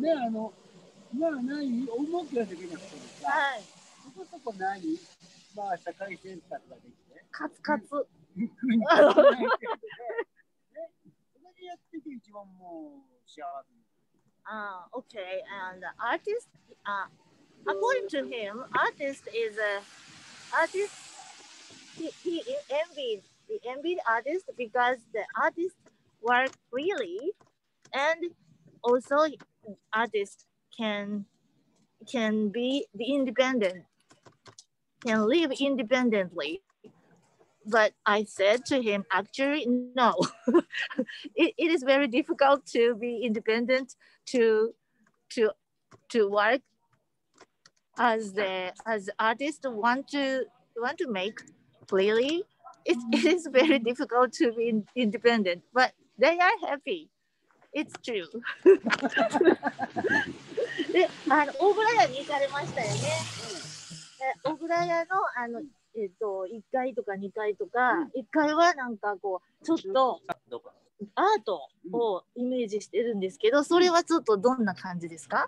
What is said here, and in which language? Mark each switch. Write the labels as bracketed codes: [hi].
[ja] ね、まあ何大儲けはできなくてさ、はい、そこそこ何カツカツ。 [en] Okay, and the artist, according to him, artist is a artist. He envied artist because the artist work freely, and also artist can be the independent, can live independently. But I said to him, actually, no, it is very difficult to be independent, to work as the artist want to make clearly. It is very difficult to be independent, but they are happy. It's true. [ja] で、オブラヤに行かれましたよね。オブラヤの1階とか2階とか、うん、1階はなんかこうちょっとアートをイメージしてるんですけど、うん、それはちょっとどんな感じですか？